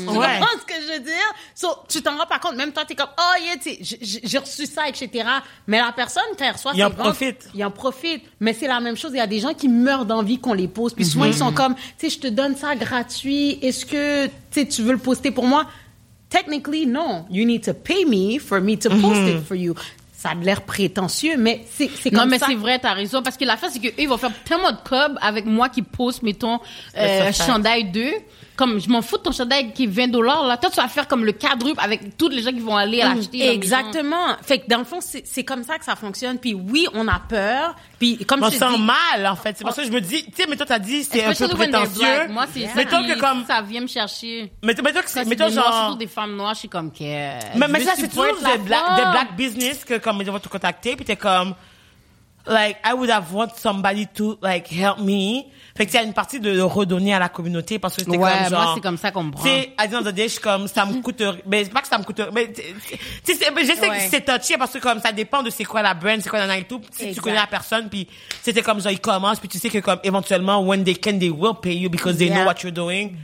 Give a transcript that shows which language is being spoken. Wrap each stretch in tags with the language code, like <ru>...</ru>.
<fr>Tu comprends ce que je veux dire? So, tu t'en rends pas compte. Même toi, t'es comme,</fr> <en>oh yeah,</en> <fr>j'ai reçu ça, etc. Mais la personne, quand elle reçoit ses ventes... Il en profite. Mais c'est la même chose. Il y a des gens qui meurent d'envie qu'on les pose. Puis souvent, ils sont comme, tu sais, je te donne ça gratuit. Est-ce que tu veux le poster pour moi? Technically, non.</fr> <en>You need to pay me to post it for you.</en> <fr>Ça a l'air prétentieux, mais c'est comme ça. Non, mais ça. C'est vrai, t'as raison. Parce que l'affaire, c'est qu'eux, ils vont faire tellement de cob avec moi qui pose, mettons, chandail 2. Comme, je m'en fous de ton chandail qui est 20$. Là, toi, tu vas faire comme le quadruple avec toutes les gens qui vont aller l'acheter. Exactement. Fait que dans le fond, c'est comme ça que ça fonctionne. Puis oui, on a peur. Puis comme on sent mal, en fait. C'est parce que je me dis... Tu sais, mais toi, t'as dit c'est un peu prétentieux. Moi, c'est ça. Comme... Ça vient me chercher. Mais toi, que c'est genre... Noirs, surtout des femmes noires, je suis comme... Mais ça, c'est toujours des black business que comme ils vont te contacter. Puis t'es comme...</fr> <en>Like, I would have wanted somebody to, like, help me.</en> <fr>Fait que c'est une partie de redonner à la communauté parce que c'était comme genre... Ouais, moi, c'est comme ça qu'on me prend. Tu sais, à dire dans le déj, comme, ça me coûte... Mais c'est pas que ça me coûte... Mais tu sais, je sais que c'est touché parce que, comme, ça dépend de c'est quoi la brand, c'est quoi nana et tout. Si tu connais la personne, puis c'était comme genre, ils commencent, puis tu sais que, comme, éventuellement,</fr> <en>when they can, they will pay you because they know what you're doing.</en>